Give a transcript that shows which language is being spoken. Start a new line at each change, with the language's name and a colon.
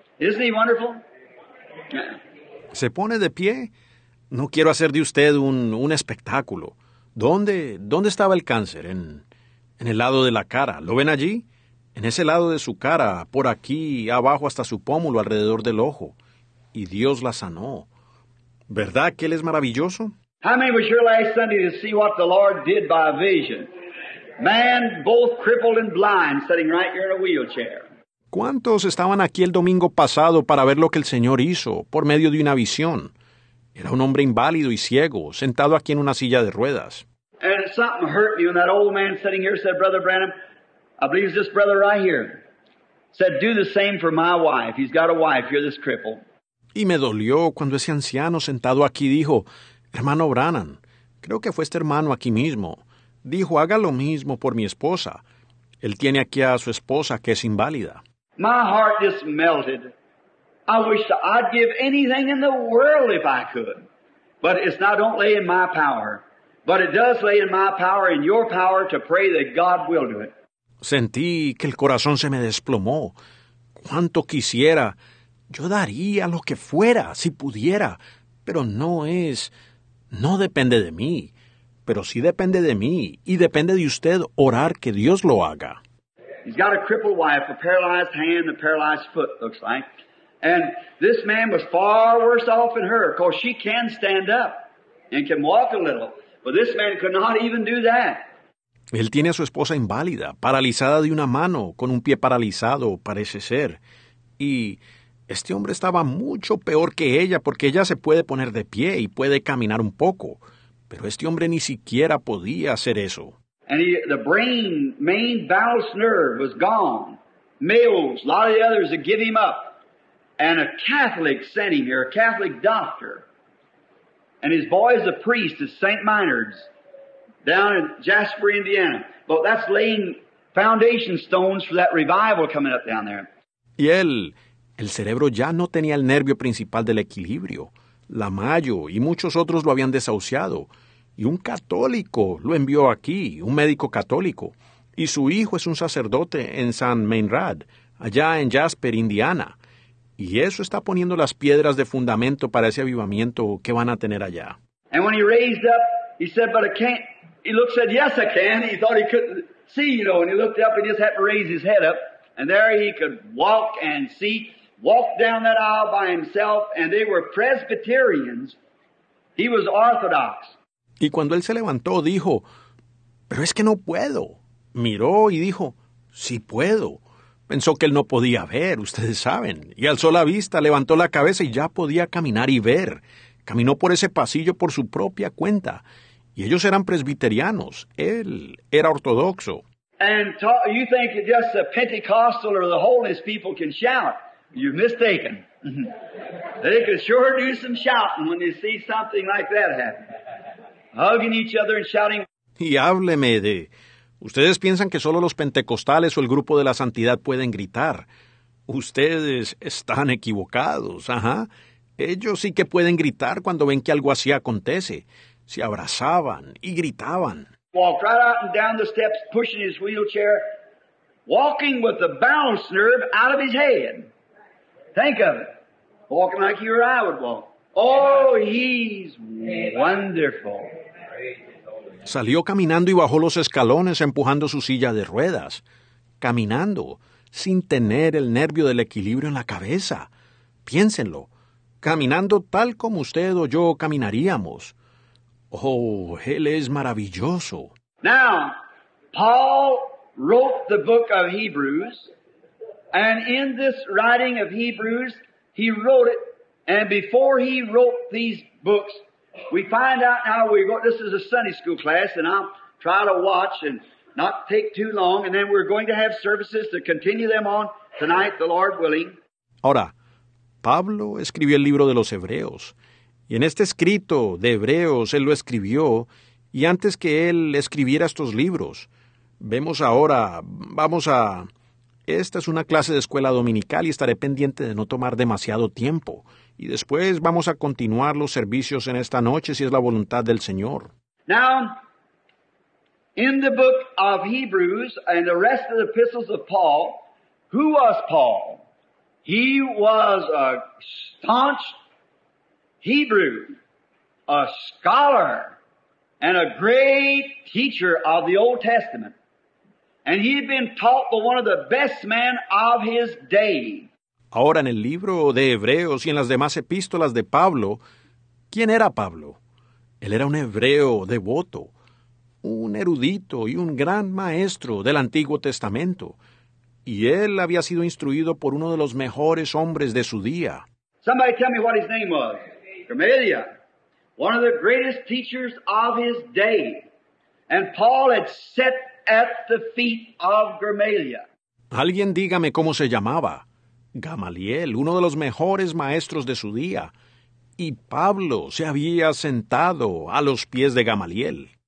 English: Isn't he wonderful?
Spanish: ¿Se pone de pie? No quiero hacer de usted un espectáculo. ¿Dónde estaba el cáncer? En el lado de la cara. ¿Lo ven allí? En ese lado de su cara, por aquí, abajo hasta su pómulo, alrededor del ojo. Y Dios la sanó. ¿Verdad que Él es maravilloso?
English: How many was your last Sunday to see what the Lord did by a vision? Man, both crippled and blind, sitting right here in a wheelchair.
Spanish: ¿Cuántos estaban aquí el domingo pasado para ver lo que el Señor hizo por medio de una visión? Era un hombre inválido y ciego, sentado aquí en una silla de ruedas.
English: And something hurt me when that old man sitting here said, Brother Branham, I believe it's this brother right here, said, do the same for my wife. He's got a wife. You're this cripple.
Spanish: Y me dolió cuando ese anciano sentado aquí dijo, hermano Branham, creo que fue este hermano aquí mismo, dijo, haga lo mismo por mi esposa. Él tiene aquí a su esposa que es inválida.
English: My heart just melted. I wish that I'd give anything in the world if I could. But it's not, don't lay in my power. But it does lay in my power, in your power, to pray that God will do it.
Spanish: Sentí que el corazón se me desplomó. Cuánto quisiera. Yo daría lo que fuera, si pudiera. Pero no depende de mí. Pero sí depende de mí. Y depende de usted orar que Dios lo haga.
English: He's got a crippled wife, a paralyzed hand, a paralyzed foot, looks like. And this man was far worse off than her, because she can stand up and can walk a little. But this man could not even do that.
Spanish: Él tiene a su esposa inválida, paralizada de una mano, con un pie paralizado, parece ser. Y este hombre estaba mucho peor que ella, porque ella se puede poner de pie y puede caminar un poco. Pero este hombre ni siquiera podía hacer eso.
English: And the brain, main vagus nerve was gone. Males, a lot of the others that give him up. And a Catholic sent him here, a Catholic doctor. And his boy is a priest at St. Minard's, down in Jasper, Indiana. But that's laying foundation stones for that revival coming up down there.
Spanish: Y él, el cerebro ya no tenía el nervio principal del equilibrio. La Mayo y muchos otros lo habían desahuciado. Y un católico lo envió aquí, un médico católico. Y su hijo es un sacerdote en St. Minard, allá en Jasper, Indiana. Y eso está poniendo las piedras de fundamento para ese avivamiento que van a tener allá.
English: And when he raised up, he said, but I can't. He looked, said, yes, I can. He thought he couldn't see, you know, and he looked up, he just had to raise his head up. And there he could walk and see, walk down that aisle by himself, and they were Presbyterians. He was Orthodox.
Spanish: Y cuando él se levantó, dijo, pero es que no puedo. Miró y dijo, sí puedo. Pensó que él no podía ver, ustedes saben. Y alzó la vista, levantó la cabeza y ya podía caminar y ver. Caminó por ese pasillo por su propia cuenta. Y ellos eran presbiterianos. Él era ortodoxo.
English: And talk, you think just the Pentecostal or the Holiness people can shout. You're mistaken. They could sure do some shouting when they see something like that happen. Hugging each other and shouting.
Spanish: Y hábleme de... Ustedes piensan que solo los pentecostales o el grupo de la santidad pueden gritar. Ustedes están equivocados, ajá. Ellos sí que pueden gritar cuando ven que algo así acontece. Se abrazaban y gritaban.
English: Walked right out and down the steps, pushing his wheelchair, walking with the balance nerve out of his head. Think of it. Walking like you or I would walk. Oh, he's wonderful.
Spanish: Salió caminando y bajó los escalones empujando su silla de ruedas. Caminando, sin tener el nervio del equilibrio en la cabeza. Piénsenlo. Caminando tal como usted o yo caminaríamos. Oh, él es maravilloso.
English: Now, Paul wrote the book of Hebrews. And in this writing of Hebrews, he wrote it. And before he wrote these books, we find out now we go. This is a Sunday school class, and I'll try to watch and not take too long. And then we're going to have services to continue them on tonight, the Lord willing.
Spanish: Ahora, Pablo escribió el libro de los Hebreos, y en este escrito de Hebreos él lo escribió. Y antes que él escribiera estos libros, vemos ahora. Vamos a. Esta es una clase de escuela dominical y estaré pendiente de no tomar demasiado tiempo. Y después vamos a continuar los servicios en esta noche, si es la voluntad del Señor.
English: Now, in the book of Hebrews and the rest of the epistles of Paul, who was Paul? He was a staunch Hebrew, a scholar, and a great teacher of the Old Testament. And he had been taught by one of the best men of his day.
Spanish: Ahora, en el libro de Hebreos y en las demás epístolas de Pablo, ¿quién era Pablo? Él era un hebreo devoto, un erudito y un gran maestro del Antiguo Testamento. Y él había sido instruido por uno de los mejores hombres de su día.
English: Somebody tell me what his name was. Gamaliel. One of the greatest teachers of his day. And Paul had sat at the feet of Gamaliel.
Spanish: Alguien dígame cómo se llamaba. Gamaliel, uno de los mejores maestros de su día. Y Pablo se había sentado a los pies de Gamaliel.